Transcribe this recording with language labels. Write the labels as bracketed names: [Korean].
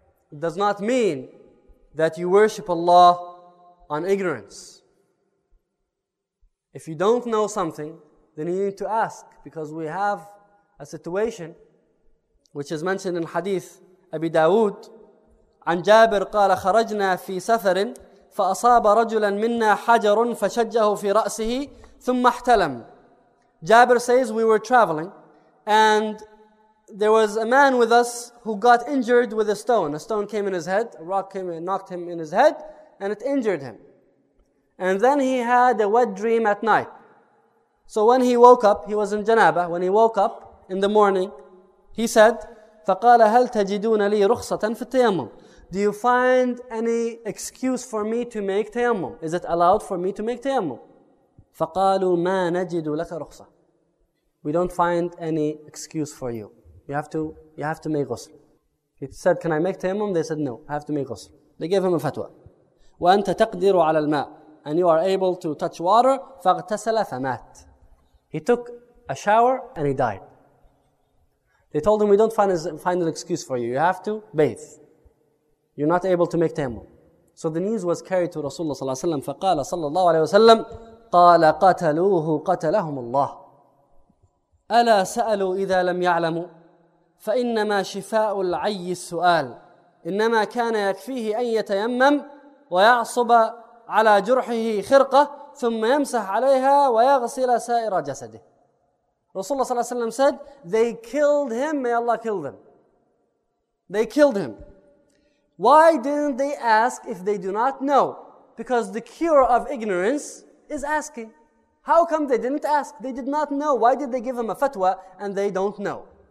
[English] It does not mean that you worship Allah on ignorance. If you don't know something, then you need to ask, because we have a situation which is mentioned in Hadith Abi Dawood. [Arabic] عن جابر قال خرجنا في سفر فأصاب رجلا منا حجر فشجه في رأسه ثم احتلم. [English] Jabir says, we were traveling and there was a man with us who got injured with a stone. A stone came in his head, a rock came and knocked him in his head, and it injured him. And then he had a wet dream at night. So when he woke up, he was in Janabah, when he woke up in the morning, he said, [Arabic] فَقَالَ هَلْ تَجِدُونَ لِي رُخْصَةً فِي التَّيَمُّمُ. [English] Do you find any excuse for me to make tayammum? Is it allowed for me to make tayammum? [Arabic] فَقَالُوا مَا نَجِدُ لَكَ رُخْصَةً. [English] We don't find any excuse for you. You have to make ghusl. He said, can I make tayammum? They said, no, I have to make ghusl. They gave him a fatwa. [Arabic] وَأَنْتَ تَقْدِرُ عَلَى الْمَاءِ. [English] And you are able to touch water. [Arabic] فَاغْتَسَلَ فَمَاتْ. [English] He took a shower and he died. They told him, we don't find an excuse for you. You have to bathe. You're not able to make tayammum. So the news was carried to Rasulullah صلى الله عليه وسلم. [Arabic] فقال صلى الله عليه وسلم قال قتلوه قتلهم الله. ألا سألوا إذا لم يعلموا فإنما شفاء العي السؤال إنما كان يكفيه أن يتيمم ويعصب على جرحه خرقة ثم يمسح عليها ويغسل سائر جسده. [English] Rasulullah صلى الله عليه وسلم said, they killed him, may Allah kill them. They killed him. Why didn't they ask if they do not know? Because the cure of ignorance is asking. How come they didn't ask? They did not know. Why did they give him a fatwa and they don't know?